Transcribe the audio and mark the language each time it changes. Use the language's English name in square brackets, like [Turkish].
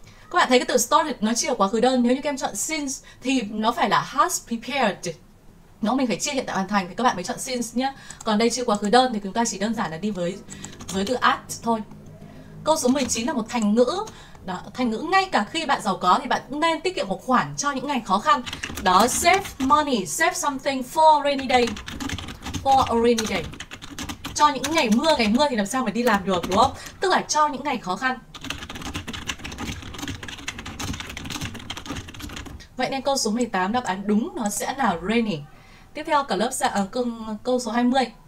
[Vietnamese] Các bạn thấy cái từ started nó chia quá khứ đơn, nếu như các em chọn since thì nó phải là [English] has prepared. [Vietnamese] Nó mình phải chia hiện tại hoàn thành thì các bạn mới chọn since nhé. Còn đây chia quá khứ đơn thì chúng ta chỉ đơn giản là đi với từ at thôi. Câu số 19 là một thành ngữ. Đó, thành ngữ ngay cả khi bạn giàu có thì bạn cũng nên tiết kiệm một khoản cho những ngày khó khăn. Đó, [English] save money, save something for a rainy day. For a rainy day. [Vietnamese] Cho những ngày mưa thì làm sao mà đi làm được, đúng không? Tức là cho những ngày khó khăn. Vậy nên câu số 18 đáp án đúng nó sẽ là rainy. Tiếp theo cả lớp sẽ câu số 20.